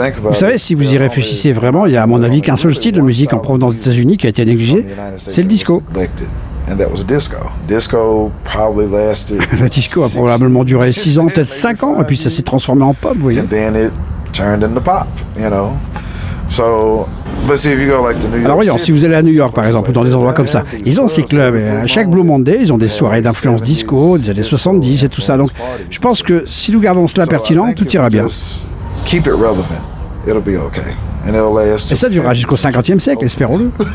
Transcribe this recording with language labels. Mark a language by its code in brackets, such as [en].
[fr] Vous savez, si vous y réfléchissez vraiment, il y a à mon avis qu'un seul style de musique en provenance des États-Unis qui a été négligé, c'est le disco. [en] And that was disco. Disco probably lasted. [fr] Le disco a probablement duré 6 ans, peut-être 5 ans, et puis ça s'est transformé en pop, vous voyez. [en] And then it turned into pop, you know. So, but see if you go like to New York. [fr] Alors voyons, si vous allez à New York, par exemple, ou dans des endroits comme ça, ils ont ces clubs. Et à chaque Blue Monday, ils ont des soirées d'influence disco des années 70 et tout ça. Donc, je pense que si nous gardons cela pertinent, tout ira bien. [en] Keep it relevant. It'll be okay. And it'll last. [fr] Et ça durera jusqu'au 50e siècle, espérons-le.